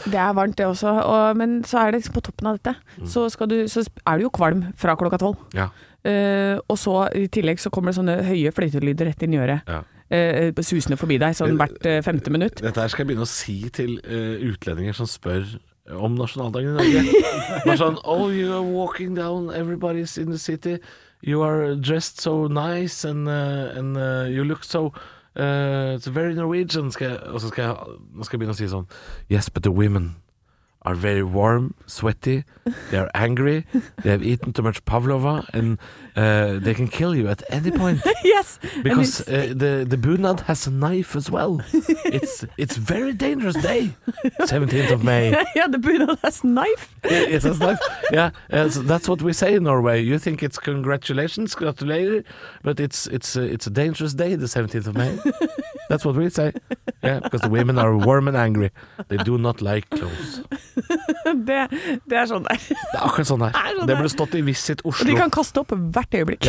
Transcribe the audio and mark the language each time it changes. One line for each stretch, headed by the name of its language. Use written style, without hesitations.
Norwegian: Det er varmt det også, og, men så er det liksom på toppen av dette, så er det jo kvalm fra klokka 12. Ja. Og så i tillegg så kommer det sånne høye fløytelyder rett inn i øret. Ja. Susende forbi deg sånn hvert femte minutt. Dette her skal jeg begynne å si til utlendinger som spør om nasjonaldagen i Norge. Bare sånn,
English: oh, you are walking down, everybody's in the city, you are dressed so nice and you look so it's very Norwegian.
Norwegian: Skal jeg begynne å si sånn,
English: yes, but the women are very warm, sweaty, they are angry, they have eaten too much pavlova, and they can kill you at any point. Yes. Because the bunad has a knife as well. It's very dangerous day, 17th of May. Yeah, the bunad has knife. It has knife. Yeah, so that's what we say in Norway. You think it's congratulations, but it's a dangerous day, the 17th of May. That's what we say. Yeah, because the women are warm and angry. They do not like clothes.
Norwegian: Det er sånn der. Det er akkurat sånn der. Det ble stått i Visit Oslo. Og de kan kaste opp hvert øyeblikk.